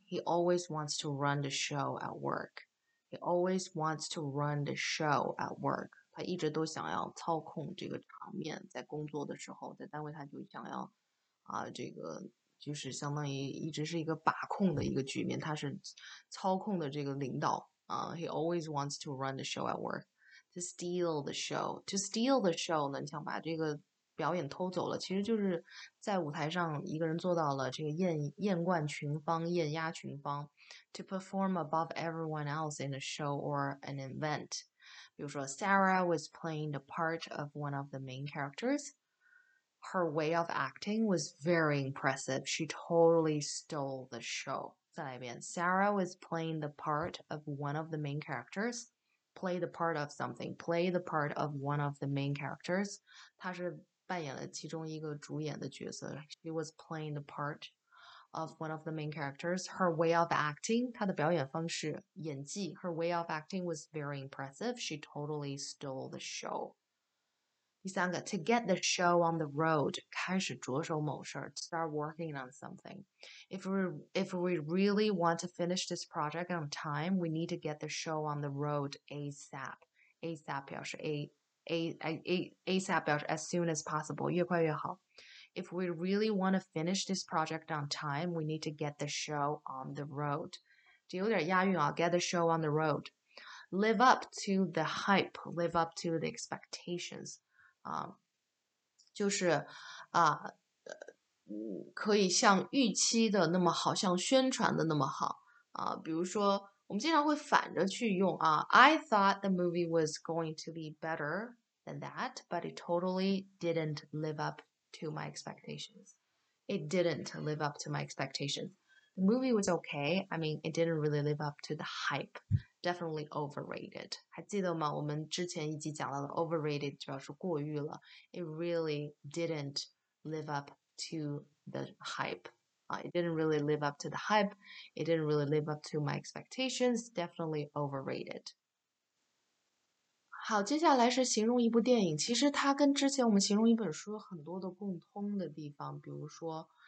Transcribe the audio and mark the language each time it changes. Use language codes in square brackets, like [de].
[en] He always wants to run the show at work. He always wants to run the show at work. [zh] 他一直都想要操控这个场面，在工作的时候，在单位他就想要这个就是相当于一直是一个把控的一个局面，他是操控的这个领导。 [en] He always wants to run the show at work. To steal the show. To steal the show [zh] 呢，你想把这个表演偷走了，其实就是在舞台上一个人做到了这个艳压群芳。 [en] To perform above everyone else in a show or an event. [zh] 比如说， [en] Sarah was playing the part of one of the main characters. Her way of acting was very impressive. She totally stole the show. [zh] 再来一遍， [en] Sarah was playing the part of one of the main characters. Play the part of something. Play the part of one of the main characters. [zh] 她是扮演了其中一个主演的角色。 [en] She was playing the part of one of the main characters. Her way of acting. [zh] 她的表演方式、演技。 [en] Her way of acting was very impressive. She totally stole the show. [zh] 第三个， [en] to get the show on the road， [zh] 开始着手某事儿， [en] start working on something。 If we really want to finish this project on time，we need to get the show on the road ASAP。 ASAP [zh] 表示 [en] A A A A ASAP 表示 as soon as possible， [zh] 越快越好。 [en] If we really want to finish this project on time，we need to get the show on the road。 [zh] 这有点押韵啊， [en] get the show on the road。Live up to the hype，live up to the expectations。 [zh] 就是可以像预期的那么好，像宣传的那么好比如说，我们经常会反着去用啊。 [en] I thought the movie was going to be better than that, but it totally didn't live up to my expectations. It didn't live up to my expectations. The movie was okay. I mean, it didn't really live up to the hype. Definitely overrated. [zh] 还记得吗？我们之前一集讲到的 overrated 主要是过誉了。 [en] It really didn't live up to the hype. It didn't really live up to the hype. It didn't really live up to my expectations. Definitely overrated. [zh] 好，接下来是形容一部电影。其实它跟之前我们形容一本书有很多的共通的地方，比如说。